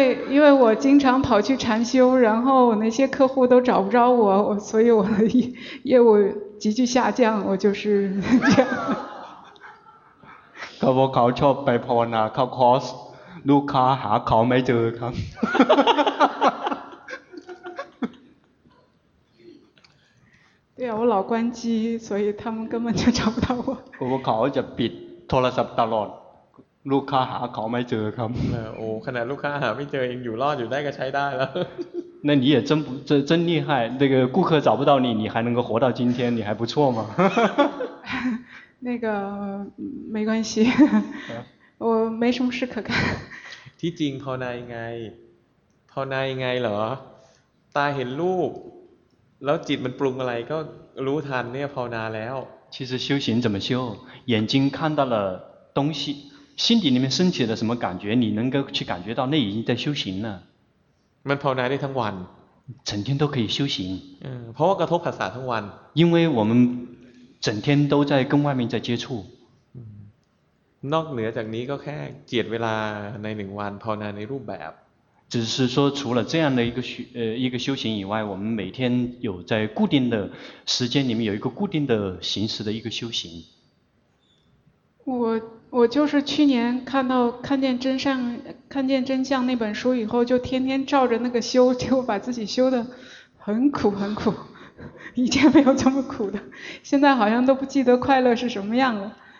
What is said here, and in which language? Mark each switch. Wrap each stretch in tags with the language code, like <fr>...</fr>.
<zh>因为我经常跑去禅修然后那些客户都找不着我所以我的业务急剧下降我就是这样</zh> <th>ครับเขาชอบไปภาวนาเข้าคอร์สลูกค้าหาเขาไม่เจอครับ ใช่</th> <zh>我老关机所以他们根本就找不到我</zh> <th>ครับเขาจะปิดโทรศัพท์ตลอดลูกค้าหาเขาไม่เจอครับ โอ้ขนาดลูกค้าหาไม่เจอเองอยู่รอดอยู่ได้ก็ใช้ได้แล้ว</th> <zh>那你也真厉害那个顾客找不到你你还能够活到今天你还不错嘛那个没关系我没什么事可干</zh> <th>ที่จริงภาวนายังไงภาวนายังไงเหรอตาเห็นรูปแล้วจิตมันปรุงอะไรก็รู้ทันเนี่ยภาวนาแล้ว</th> <zh>其实修行怎么修眼睛看到了东西心底里面升起了什么感觉你能够去感觉到那已经在修行了</zh> <th>มันภาวนาได้ทั้งวัน</th> <zh>整天都可以修行</zh> <th>เพราะว่ากระทบผัสสะทั้งวัน</th> <zh>因为我们整天都在跟外面在接触</zh> <th>นอกเหนือจากนี้ก็แค่เจียดเวลาในหนึ่งวันภาวนาในรูปแบบ</th> <zh>只是说除了这样的一个修行以外我们每天有在固定的时间里面有一个固定的形式的一个修行我就是去年看见真相那本书以后就天天照着那个修就把自己修得很苦很苦以前没有这么苦的现在好像都不记得快乐是什么样了</zh>